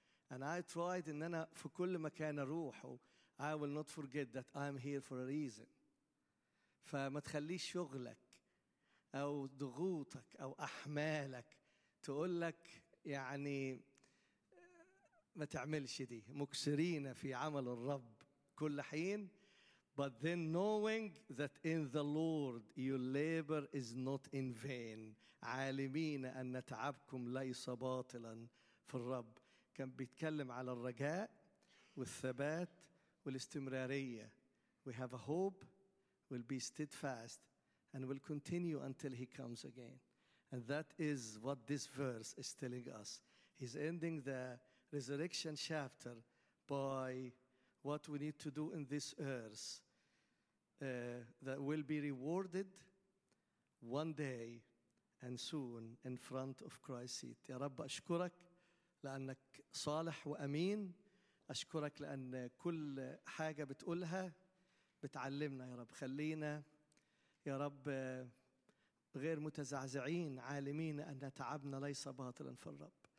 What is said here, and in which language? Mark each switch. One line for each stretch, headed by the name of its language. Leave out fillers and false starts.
English: And I tried
Arabic: إن أنا في كل مكان أروحه,
English: I will not forget that I'm here for a reason.
Arabic: فما تخليش شغلك أو ضغوطك أو أحمالك تقول لك يعني ما تعملش دي. مكسرين في عمل الرب كل حين.
English: But then knowing that in the Lord your labor is not in vain.
Arabic: عالمين أن تعبكم ليس باطلا في الرب. كان بيتكلم على الرجاء والثبات والاستمرارية.
English: We have a hope, we'll be steadfast, and we'll continue until he comes again. And that is what this verse is telling us. He's ending the resurrection chapter by what we need to do in this earth that will be rewarded one day and soon in front of Christ's seat.
Arabic: يا رب أشكرك لأنك صالح وأمين. أشكرك لأن كل حاجة بتقولها بتعلمنا يا رب. خلينا يا رب غير متزعزعين عالمين أن تعبنا ليس باطلا في الرب.